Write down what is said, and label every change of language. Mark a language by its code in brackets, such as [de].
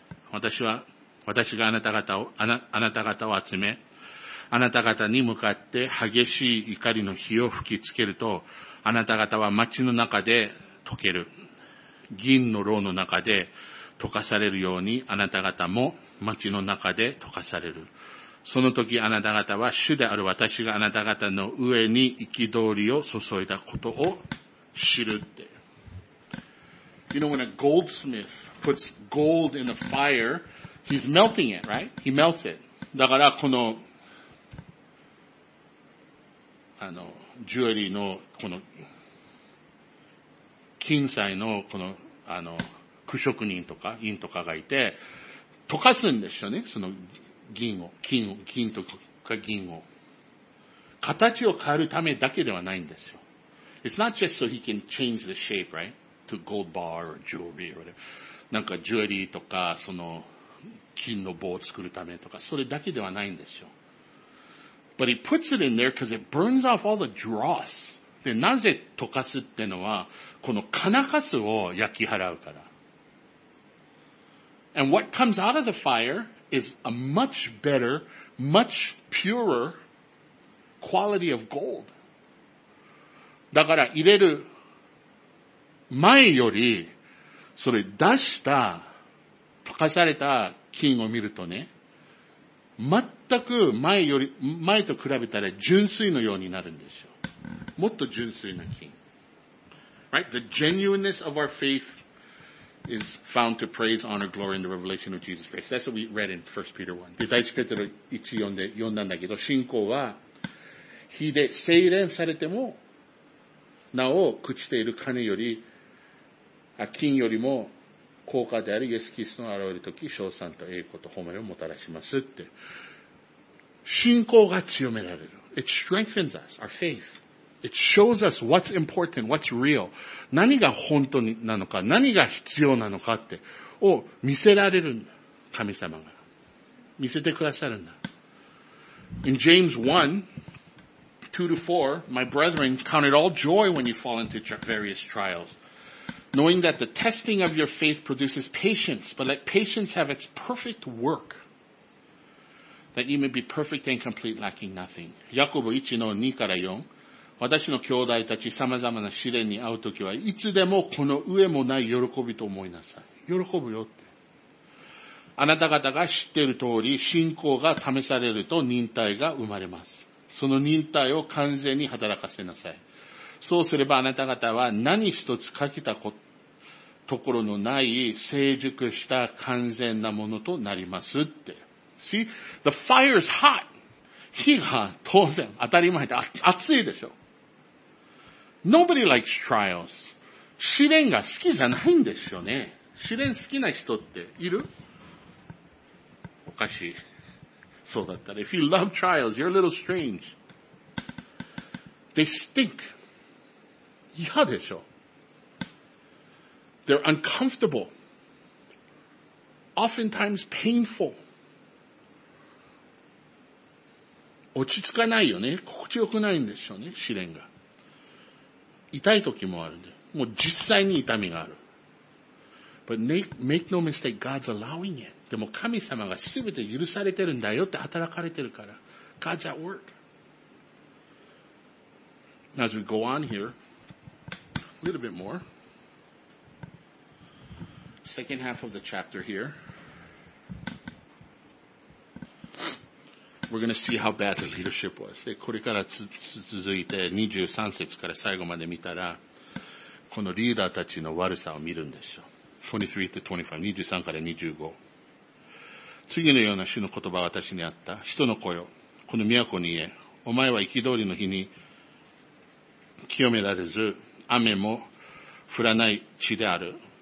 [ja] 私があなた方を集め、あなた方に向かって激しい怒りの火を吹きつけると、あなた方は町の中で溶ける。銀の炉の中で溶かされるように、あなた方も町の中で溶かされる。その時あなた方は主である私があなた方の上に憤りを注いだことを知るって。 [en] You know, when a goldsmith puts gold in a fire, he's melting it, right? He melts it. [ja] だからこの、ジュエリーのこの、金彩のこの、区職人とか、院とかがいて、溶かすんですよね、その、銀を、金とか銀を。形を変えるためだけではないんですよ。 [en] It's not just so he can change the shape, right? To gold bar or jewelry or whatever. [ja] なんかジュエリーとか、その、金の棒を作るためとか、それだけではないんですよ。 [en] But he puts it in there because it burns off all the dross. [ja] で、なぜ溶かすってのは、この金かすを焼き払うから。 [en] And what comes out of the fire,is a much better, much purer quality of gold. [ja] だから入れる前より、それ出した、溶かされた金を見るとね、全く前と比べたら純粋のようになるんですよ。もっと純粋な金。 [en] Right? The genuineness of our faith. Is found to praise, honor, glory in the revelation of Jesus Christ. That's what we read in 1 Peter 1. [ja] で、第1ペテロ1読んで、読んだんだけど、信仰は、火で精錬されても、なお、朽ちている金より、金よりも、高価であるイエス・キリストの現れるとき、称賛と栄光と褒めをもたらしますって。信仰が強められる。 [en] It strengthens us, our faith. It shows us what's important, what's real. [ja] 何が本当になのか、何が必要なのかって、を見せられるんだ。神様が。見せてくださるんだ。 [en] In James 1, 2 to 4, my brethren, count it all joy when you fall into various trials, knowing that the testing of your faith produces patience, but let patience have its perfect work, that you may be perfect and complete, lacking nothing. [ja] ヤコブ1の2から4。私の兄弟たち様々な試練に遭うときはいつでもこの上もない喜びと思いなさい。喜ぶよって。あなた方が知っている通り信仰が試されると忍耐が生まれます。その忍耐を完全に働かせなさい。そうすればあなた方は何一つ欠けたところのない成熟した完全なものとなりますって。 [en] See? The fire is hot! [ja] 火が当然当たり前で熱いでしょ。 [en] Nobody likes trials. [ja] 試練が好きじゃないんですよね。試練好きな人っている？おかしい。そうだったら。 [en] If you love trials, you're a little strange. They stink. [ja] 嫌でしょ。 [en] They're uncomfortable. Oftentimes painful. [ja] 落ち着かないよね。心地よくないんですよね、試練が。痛い時もあるんで。もう実際に痛みがある。 [en] But make no mistake, God's allowing it. [ja] でも神様が全て許されてるんだよって働かれてるから。 [en] God's at work. As we go on here, a little bit more. Second half of the chapter here. We're going to see how bad the leadership was. [ja] で、これから続いて23節から最後まで見たら、このリーダーたちの悪さを見るんですよ。 23-25。次のような主の言葉は私にあった。人の子よ、この都に言え。お前は行き通りの日に清められず、雨も降らない地である。